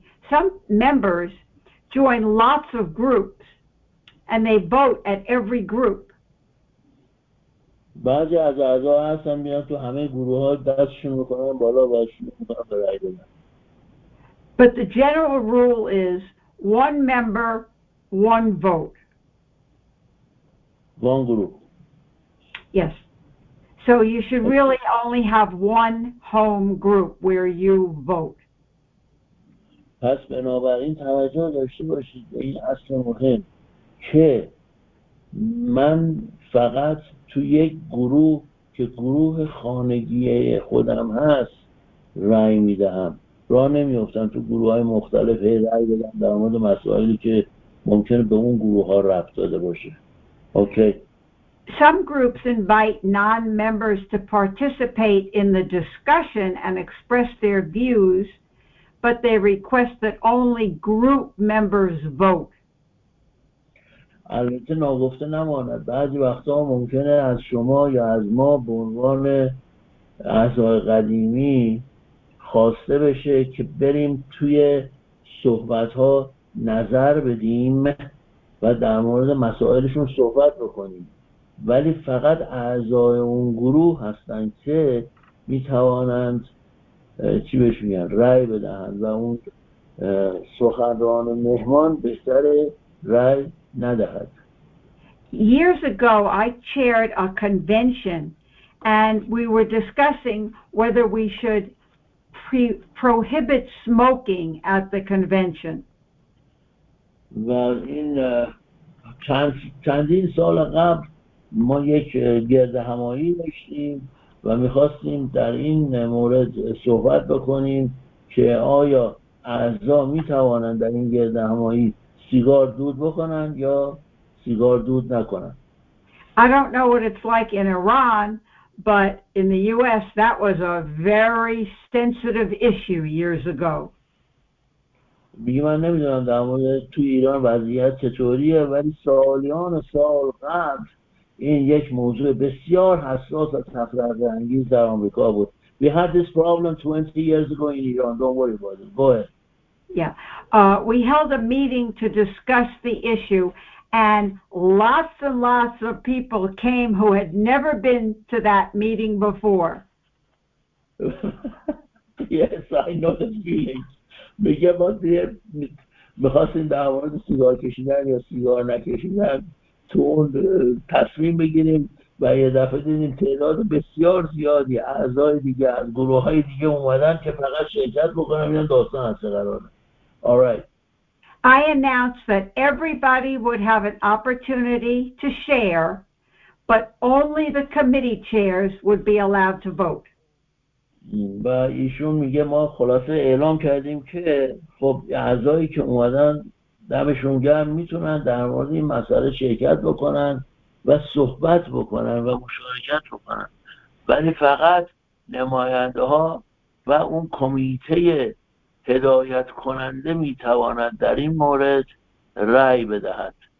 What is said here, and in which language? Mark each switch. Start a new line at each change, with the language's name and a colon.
English: Some members join lots of groups and they vote at every group.
Persian: بعضی از اعضا هستن میان تو همه گروه ها دستشون میکنن بالا و شروع میکنن به رأی دادن.
English: But the general rule is one member, one vote. One group. Yes. So you should really only have one home group where you vote.
Persian: پس بنابراین توجه داشته باشید به این اصل مهم که من فقط تو یک گروه که گروه خانگی خودم هست رأی میدهم. را نمیافتن تو گروه های مختلف هی رأی بدن در مورد مسائلی که ممکنه به اون گروه ها ربط داده باشه. اوکی.
English: Some groups invite non-members to participate in the discussion and express their views, but they request that only group members vote.
Persian: البته ناگفته نماند، بعضی وقتا ممکنه از شما یا از ما به عنوان اعضای قدیمی خواسته بشه که بریم توی صحبتها نظر بدیم و در مورد مسائلشون صحبت بکنیم، ولی فقط اعضای اون گروه هستند که میتوانند چی بهش میگن رأی بدهند و اون سخنران مهمان بهتر رأی ندهد.
English: Years ago I chaired a convention and we were discussing whether we should prohibit smoking at the convention.
Persian: و این چندین سال قبل ما یک گرد همایی داشتیم و میخواستیم در این مورد صحبت بکنیم که آیا اعضا میتوانند در این گرد همایی سیگار دود بکنند یا سیگار دود نکنند.
English: I don't know what it's like in Iran, but in the US that was a very sensitive issue years ago.
Persian: میگه من نمیدونم در مورد تو ایران وضعیت چطوریه، ولی سالیان سال قبل این یک موضوع بسیار حساس و تفرقه انگیز در آمریکا بود.
English: We had this problem 20 years ago in Iran. Don't worry about it. Go ahead. Yeah. We held a meeting to discuss the issue and lots of people came who had never been to that meeting before. Yes, I know the feeling.
Persian: میگه ما میخواستیم در مورد سیگار کشیدن یا سیگار نکشیدن تو اون تصمیم بگیریم و یه دفعه دیدیم تعداد بسیار زیادی اعضای دیگه از گروه های دیگه اومدن که فقط شرکت بکنم این داستان هسته قراره.
English: Alright. I announced that everybody would have an opportunity to share, but only the committee chairs would be allowed to vote.
Persian: و ایشون میگه ما خلاصه اعلام کردیم که خب اعضایی که اومدن دمشون گرم میتونن در مورد این مسئله شرکت بکنن و صحبت بکنن و مشارکت بکنن، ولی فقط نماینده ها و اون کمیته هدایت کننده میتواند در این مورد رأی بدهد.